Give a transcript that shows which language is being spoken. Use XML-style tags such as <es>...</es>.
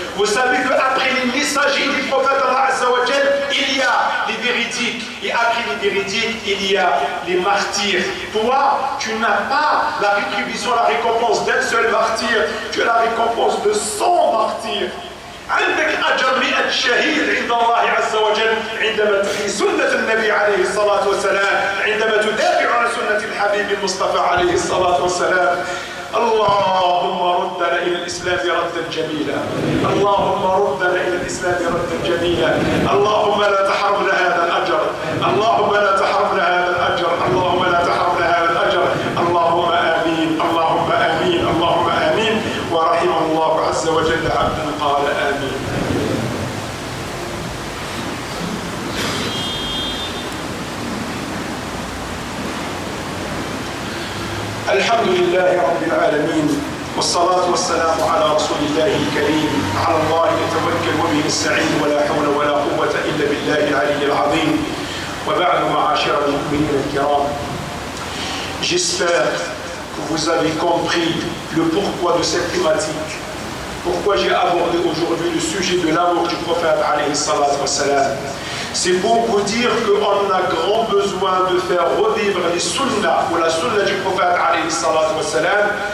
<fr>Vous savez qu'après les messagers du prophète d'Allah Azza wa Jal, il y a les véridiques. Et après les véridiques, il y a les martyrs. Toi, tu n'as pas la rétribution, la récompense d'un seul martyr, tu as la récompense de 100 martyrs.</fr> <ar>عندك أجر مئة شهيد عند الله عز وجل عندما تحيي سنة النبي عليه الصلاة والسلام عندما تدافع عن سنة الحبيب المصطفى عليه الصلاة والسلام. اللهم ردنا إلى الإسلام ردا جميلا. اللهم ردنا إلى الإسلام ردا جميلا. اللهم لا تحرمنا هذا الأجر. اللهم لا تحرمنا هذا الأجر. اللهم لا تحرمنا هذا الأجر. اللهم آمين. اللهم آمين. اللهم آمين. ورحم الله عز وجل عبدا قال آمين. الحمد لله رب العالمين والصلاة والسلام على رسول الله الكريم على الله يتوكل وبه يستعين ولا حول ولا قوة إلا بالله العلي العظيم. وبعد معاشر المؤمنين الكرام</ar> <fr>j'espère que vous avez compris le pourquoi de cette thématique, pourquoi j'ai abordé aujourd'hui le sujet de l'amour du prophète عليه الصلاة والسلام. C'est pour vous dire qu'on a grand besoin de faire revivre les sunnahs ou la sunnah du prophète alayhi salatu wa salam.</fr>